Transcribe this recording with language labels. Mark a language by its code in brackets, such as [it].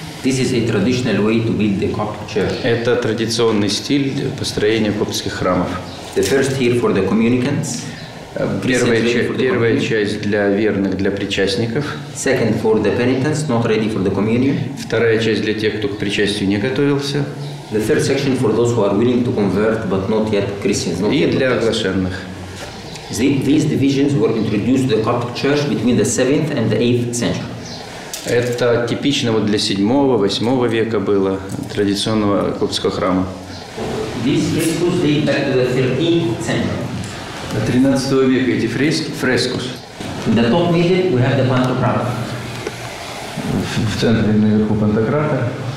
[en] This is a traditional way to build the Coptic church. [ru] Это традиционный стиль построения коптских храмов. [en] The first here for the communicants. [ru] Первая часть для верных, для причастников. [en] Second for the penitents, not ready for the communion. [ru] Вторая часть для тех, кто к причастию не готовился. [en] The third section for those who are willing to convert but not yet Christians. [ru] И для оглашенных. [en] These divisions were introduced to the Coptic Church between the 7th and the 8th century. [ru] Это типично вот для 7-8 века было традиционного коптского храма. [en] These frescoes date back to the 13th century. [ru] 13 века эти фрескус. [en] In the top middle we have the Pantocrator. [ru] В центре наверху Пантократа.